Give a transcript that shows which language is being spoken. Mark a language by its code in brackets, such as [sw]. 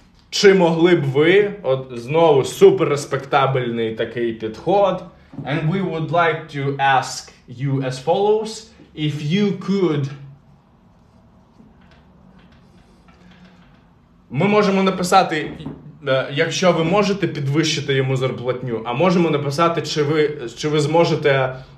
[uk] чи могли б ви, от знову супер респектабельний такий підход, [en] and we would like to ask you as follows, if you could. [uk] Ми можемо написати, якщо ви можете підвищити йому зарплатню, а можемо написати, чи ви зможете